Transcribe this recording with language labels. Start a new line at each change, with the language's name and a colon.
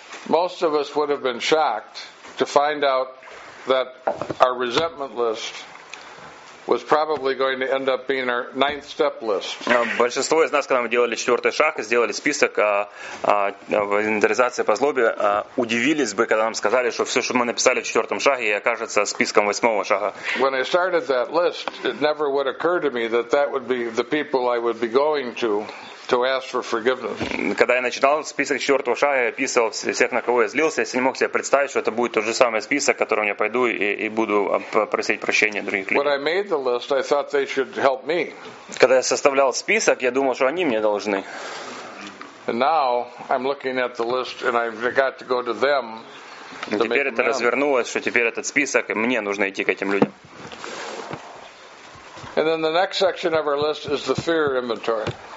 English: Most of us would have been shocked to find out that our resentment list was probably going to end up being our ninth step list.
Russian: Большинство из нас, когда мы делали четвертый шаг и сделали список в инвентаризации по злобе, удивились бы, когда нам сказали, что все, что мы написали в четвертом шаге, окажется списком восьмого шага.
English: When I started that list, it never would occur to me that that would be the people I would be going to. To ask for forgiveness.
Russian: Когда я начинал список четвертого шага, я описывал всех, на кого я злился, если не мог себе представить, что это будет тот же самый список, которым я пойду и буду просить прощения других людей.
English: When I made the list, I thought they should help me.
Russian: Когда я составлял список, я думал, что они мне должны.
English: And now I'm looking at the list and I've got to go to them.
Russian: Теперь это развернулось, что теперь этот список, и мне нужно идти к этим людям.
English: And then the next section of our list is the fear inventory.